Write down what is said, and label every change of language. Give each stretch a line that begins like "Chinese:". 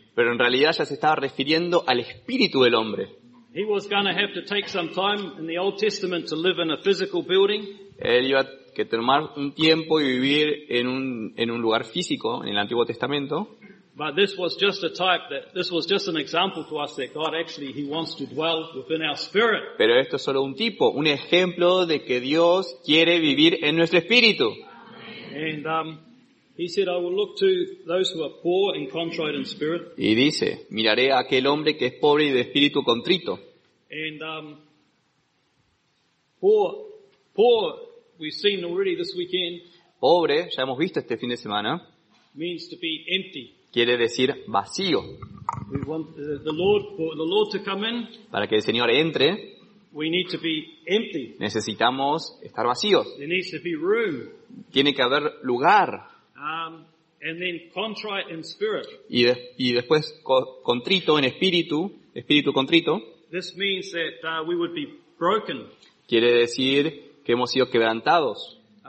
Spanish: Pero en realidad ya se estaba refiriendo al espíritu del hombre.
English: He was going to have to take some time in the Old Testament to live in a physical building.
Spanish: Él iba a que tomar un tiempo y vivir en un lugar físico en el Antiguo Testamento.
English: But this was just a type that this was just an example to us that God actually he wants to dwell within our spirit.
Spanish: Pero esto es solo un tipo, un ejemplo de que Dios quiere vivir en nuestro espíritu.
English: And he said, "I will look to those who are poor and contrite in spirit."
Spanish: Y dice, miraré a aquel hombre que es pobre y de espíritu contrito.
English: And poor, we've seen already this weekend.
Spanish: Pobre, ya hemos visto este fin de semana.
English: Means to be empty.
Spanish: Quiere decir vacío.
English: We want the Lord to come in.
Spanish: Para que el Señor entre.
English: We need to be empty.
Spanish: Necesitamos estar vacíos.
English: There needs to be room.
Spanish: Tiene que haber lugar.
English: And then contrite in spirit.
Spanish: Y después contrito en espíritu, espíritu contrito.
English: This means that we would be broken.
Spanish: Quiere decir que hemos sido quebrantados.